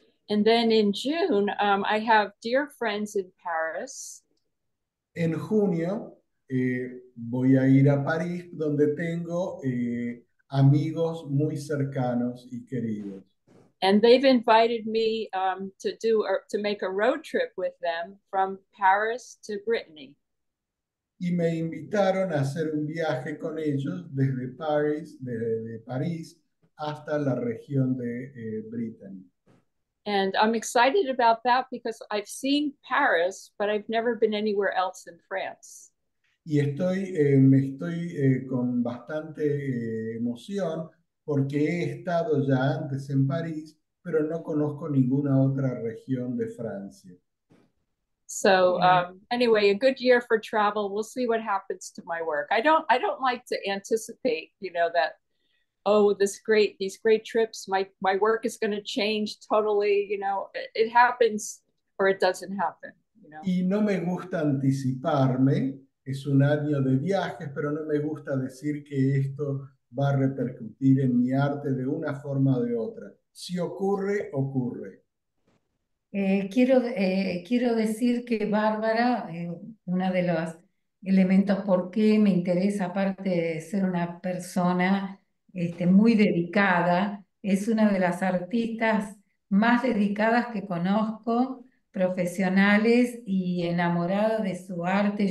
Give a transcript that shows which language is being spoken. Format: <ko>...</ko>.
<en>And then in June, I have dear friends in Paris.</en> <es>En junio voy a ir a París, donde tengo amigos muy cercanos y queridos.</es> <en>And they've invited me to do or to make a road trip with them from Paris to Brittany.</en> <es>Y me invitaron a hacer un viaje con ellos desde París, desde París hasta la región de Brittany.</es> <en>And I'm excited about that because I've seen Paris, but I've never been anywhere else in France.</en> <es>Y me estoy con bastante emoción porque he estado ya antes en París, pero no conozco ninguna otra región de Francia.</es> <en>So,</en> <es>Bueno.</es> <en>anyway, a good year for travel. We'll see what happens to my work. I don't like to anticipate, that, oh, these great trips, my work is going to change totally. It happens or it doesn't happen,</en> <es>Y no me gusta anticiparme, es un año de viajes, pero no me gusta decir que esto va a repercutir en mi arte de una forma o de otra. Si ocurre, ocurre. Quiero decir que Bárbara, uno de los elementos por qué me interesa, aparte de ser una persona muy dedicada, es una de las artistas más dedicadas que conozco, profesionales y enamorada de su arte.</es>